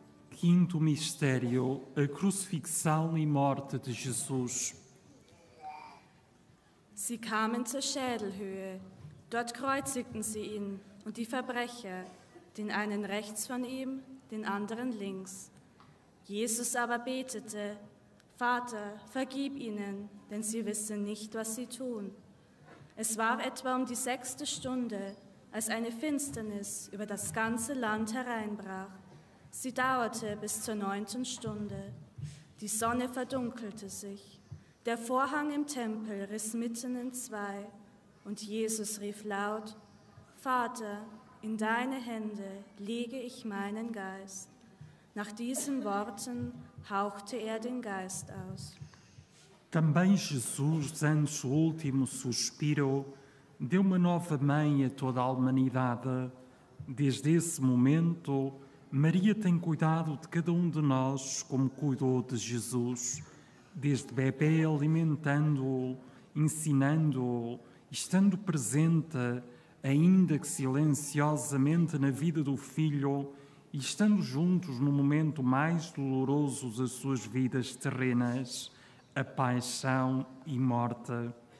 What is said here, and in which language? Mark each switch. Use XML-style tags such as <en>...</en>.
<pt>Quinto mistério, a crucifixão e morte de Jesus.</pt> <de>Sie kamen zur Schädelhöhe. Dort kreuzigten sie ihn und die Verbrecher, den einen rechts von ihm, den anderen links. Jesus aber betete: Vater, vergib ihnen, denn sie wissen nicht, was sie tun. Es war etwa um die sechste Stunde, als eine Finsternis über das ganze Land hereinbrach. Sie dauerte bis zur neunten Stunde. Die Sonne verdunkelte sich. Der Vorhang im Tempel riss mitten in zwei, und Jesus rief laut: Vater, in deine Hände lege ich meinen Geist. Nach diesen Worten hauchte er den Geist aus.</de> <pt>Também Jesus, antes do último suspiro, deu uma nova mãe a toda a humanidade. Desde esse momento, Maria tem cuidado de cada de nós como cuidou de Jesus. Desde bebê, alimentando-o, ensinando-o, estando presente, ainda que silenciosamente, na vida do filho e estando juntos no momento mais doloroso das suas vidas terrenas, a paixão e morte.</pt>